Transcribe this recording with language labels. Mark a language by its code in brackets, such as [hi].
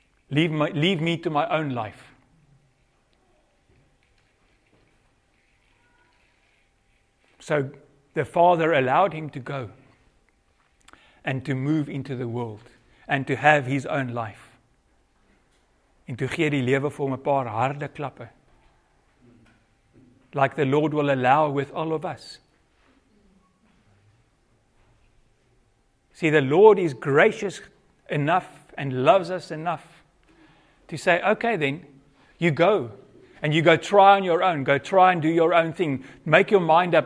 [en] Leave me to my own life. So the Father allowed him to go and to move into the world and to have his own life. [af] En toe gee die lewe vir hom 'n paar harde klappe. [en] Like the Lord will allow with all of us. See, the Lord is gracious enough and loves us enough to say, okay then, you go. And you go try on your own. Go try and do your own thing. Make your mind up.